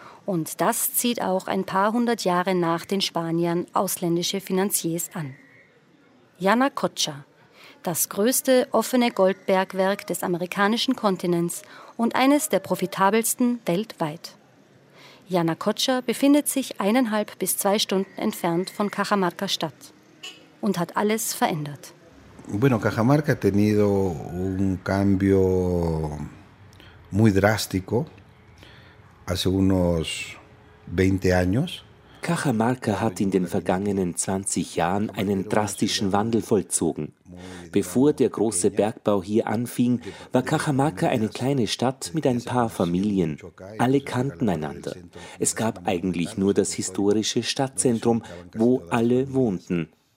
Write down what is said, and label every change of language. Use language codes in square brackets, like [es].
[de] Und das zieht auch ein paar hundert Jahre nach den Spaniern ausländische Finanziers an. Yanacocha. Das größte offene Goldbergwerk des amerikanischen Kontinents und eines der profitabelsten weltweit. Yanacocha befindet sich 1,5 bis 2 Stunden entfernt von Cajamarca Stadt und hat alles verändert. [es] Bueno, Cajamarca ha tenido un cambio muy drástico hace unos 20 años. [de] Cajamarca hat in den vergangenen 20 Jahren einen drastischen Wandel vollzogen. Bevor der große Bergbau hier anfing, war Cajamarca eine kleine Stadt mit ein paar Familien. Alle kannten einander. Es gab eigentlich nur das historische Stadtzentrum, wo alle wohnten.